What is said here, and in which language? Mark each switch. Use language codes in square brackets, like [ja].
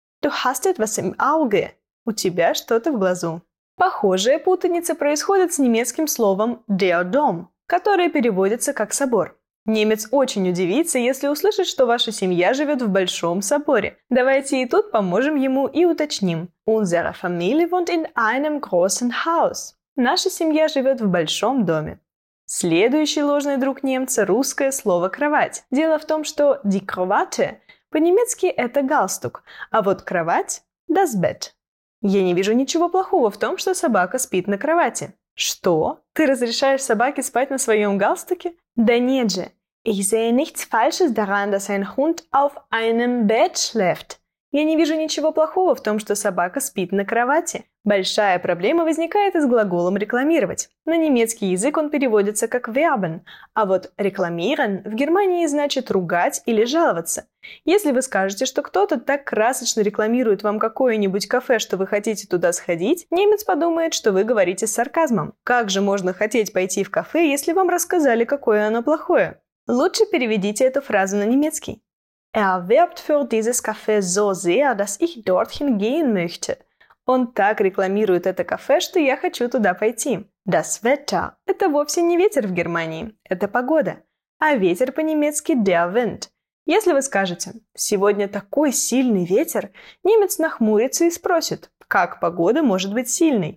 [de] «Du hast etwas im Auge» – [ru] «у тебя что-то в глазу». Похожая путаница происходит с немецким словом «der Dom», которое переводится как «собор». Немец очень удивится, если услышит, что ваша семья живет в большом соборе. Давайте и тут поможем ему и уточним. [de] «Unsere Familie wohnt in einem großen Haus». [ru] Наша семья живет в большом доме. Следующий ложный друг немца – русское слово «кровать». Дело в том, что «die Krawatte» по-немецки это «галстук», а вот «кровать» – «das Bett». Я не вижу ничего плохого в том, что собака спит на кровати. Что? Ты разрешаешь собаке спать на своем галстуке? Да нет же. [de] Ich sehe nichts Falsches daran, dass ein Hund auf einem Bett schläft. [ru] Я не вижу ничего плохого в том, что собака спит на кровати. Большая проблема возникает с глаголом рекламировать. На немецкий язык он переводится как werben, а вот рекламирован в Германии значит ругать или жаловаться. Если вы скажете, что кто-то так красочно рекламирует вам какое-нибудь кафе, что вы хотите туда сходить, немец подумает, что вы говорите с сарказмом. Как же можно хотеть пойти в кафе, если вам рассказали, какое оно плохое? Лучше переведите эту фразу на немецкий. [de] Er werbt für dieses Café so sehr, dass ich dorthin gehen möchte. [ru] Он так рекламирует это кафе, что я хочу туда пойти. Das Wetter – это вовсе не ветер в Германии, это погода. А ветер по-немецки – der Wind. Если вы скажете «сегодня такой сильный ветер», немец нахмурится и спросит, как погода может быть сильной.